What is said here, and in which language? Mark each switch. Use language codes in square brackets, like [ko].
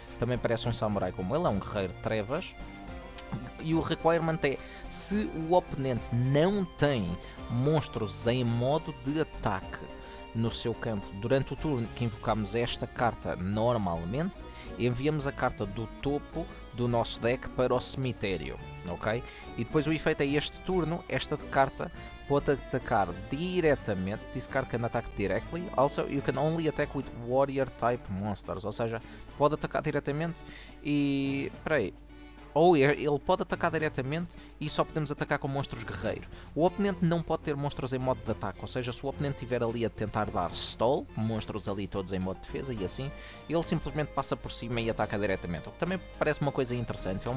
[pt] Também parece um samurai como ele, é um guerreiro de trevas. E o requirement é: se o oponente não tem monstros em modo de ataque no seu campo durante o turno que invocamos esta carta normalmente, enviamos a carta do topo do nosso deck para o cemitério, ok? E depois o efeito é: este turno, esta carta pode atacar diretamente. [en] This card can attack directly. Also, you can only attack with warrior type monsters. [pt] Ou seja, pode atacar diretamente e. Peraí. Ou ele pode atacar diretamente e só podemos atacar com monstros guerreiro. O oponente não pode ter monstros em modo de ataque, ou seja, se o oponente estiver ali a tentar dar stall, monstros ali todos em modo de defesa e assim, ele simplesmente passa por cima e ataca diretamente. O que também parece uma coisa interessante.